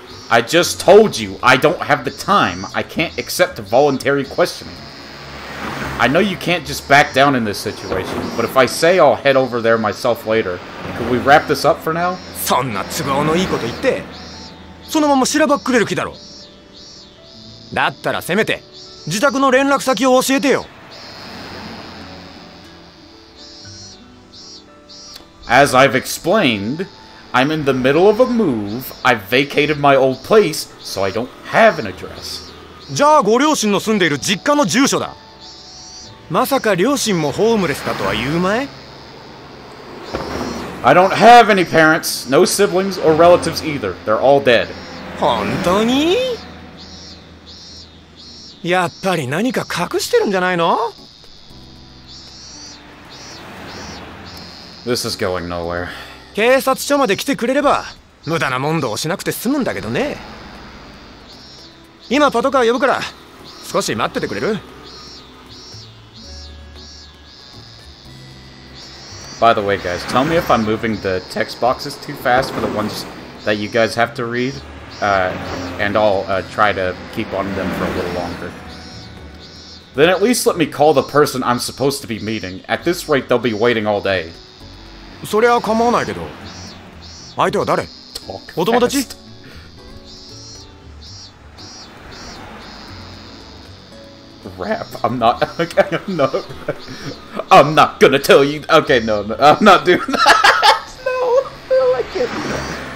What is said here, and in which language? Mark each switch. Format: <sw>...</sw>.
<en>I just told you, I don't have the time. I can't accept voluntary questioning. I know you can't just back down in this situation, but if I say I'll head over there myself later, could we wrap this up for now?</en> <ja>そんな都合のいいこと言って、そのまましらばっくれる気だろう。だったらせめて自宅の連絡先を教えてよ。</ja> <en>As I've explained, I'm in the middle of a move. I've vacated my old place, so I don't have an address.</en> <ja>じゃあご両親の住んでいる実家の住所だ。まさか両親もホームレスだとは言うまい?</ja> <en>I don't have any parents, no siblings or relatives either. They're all dead.</en> <ja>本当に? やっぱり何か隠してるんじゃないの?</ja> <en>This is going nowhere.</en> <ja>警察署まで来てくれれば、無駄な問答をしなくて済むんだけどね。今パトカー呼ぶから、少し待っててくれる?</ja> <en>By the way, guys, tell me if I'm moving the text boxes too fast for the ones that you guys have to read, and I'll try to keep on them for a little longer. Then at least let me call the person I'm supposed to be meeting. At this rate, they'll be waiting all day.</en> <ja>それは構わないけど、相手は誰?</ja> <en>Talk fast. rap. I'm not gonna tell you. Okay, no, I'm not doing that. No, I can't do that.</en>